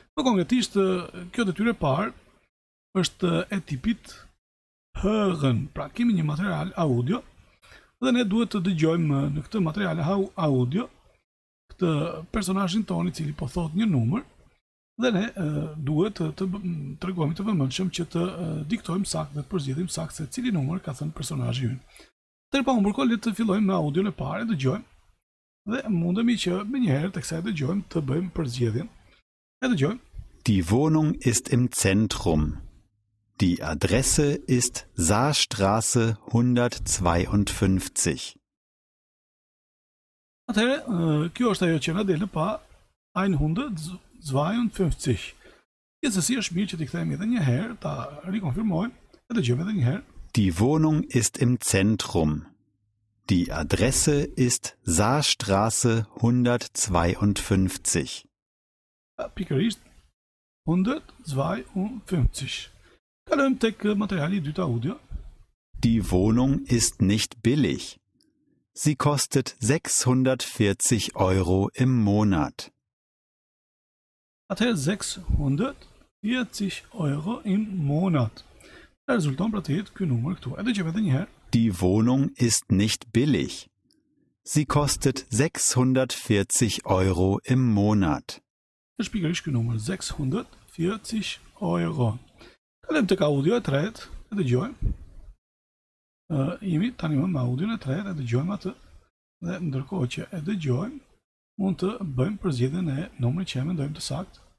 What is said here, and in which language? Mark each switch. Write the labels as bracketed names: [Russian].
[Albanian] Më konkretisht, kjo detyre parë është e tipit hërën, pra kemi një material audio, dhe ne duhet të dëgjojmë në këtë material audio këtë personajin tonë i cili po thot një numër, dhe ne duhet të tregojmë të vëmëndshëm që të diktojmë sakt dhe të përzgjidhim sakt se cili numër ka thënë personajin ynë. Tërë pa humbur kohë, le të fillojmë me audio në pare, dëgjojmë, dhe mundemi që me njëherë të kësaj dëgjojmë të bëjmë përzgjidhjen. E dëgjojmë. [German] Die Wohnung ist im Zentrum. Die Adresse ist Saarstraße 152. [Albanian] Atëherë, kjo është ajo që na del pa 152. Gjithsesi është mirë që t'i kthehemi edhe një herë, ta rikonfirmojmë, e dëgjojmë edhe një herë. [German] Die Wohnung ist im Zentrum. Die Adresse ist Saarstraße 152. [Albanian] Pikërisht 152. Kalojm tek materiali i dytë audio. [German] Die Wohnung ist nicht billig. Sie kostet 640 Euro im Monat. [Albanian] Atëherë [German] 640 Euro im Monat. [Albanian] Rezulton pra të jetë ky numër këtu. E dëgjojmë edhe një herë. [German] Die Wohnung ist nicht billig. Sie kostet 640 Euro im Monat. Das ist [Albanian] pikërisht ky numër, 640 Euro. Kalojm tek audio e tretë, e dëgjojmë. Jemi tani me audio e tretë, e dëgjojmë atë. Dhe ndërkohë që e dëgjojmë, mund të bëjmë përzgjedhjen e numrit që mendojmë të sakt.